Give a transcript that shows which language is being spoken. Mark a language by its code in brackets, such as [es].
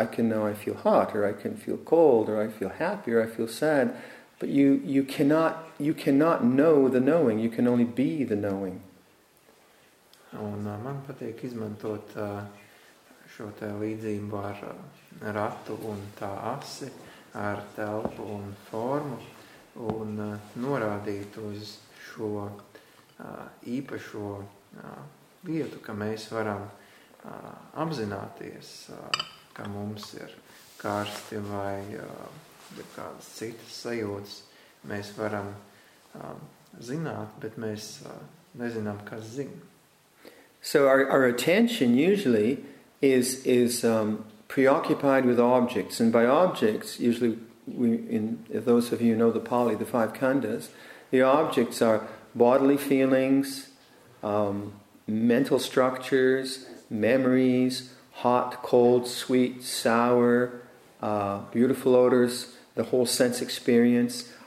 [en] I can know I feel hot, or I can feel cold, or I feel happy, or I feel sad, but you cannot know the knowing. You can only be the knowing. [lv] Un man patīk izmantot šo te līdzību ar ratu un tā asi, ar telpu un formu, un norādīt uz šo īpašo vietu, ka mēs varam apzināties, ka mums ir karsti vai ir kādas citas sajūtas. Mēs varam zināt, bet mēs nezinām, kas zina. [en] So our attention usually is preoccupied with objects. And by objects, usually, those of you who know the Pali, the five khandhas, the objects are bodily feelings, mental structures, memories, hot, cold, sweet, sour, beautiful odors, the whole sense experience.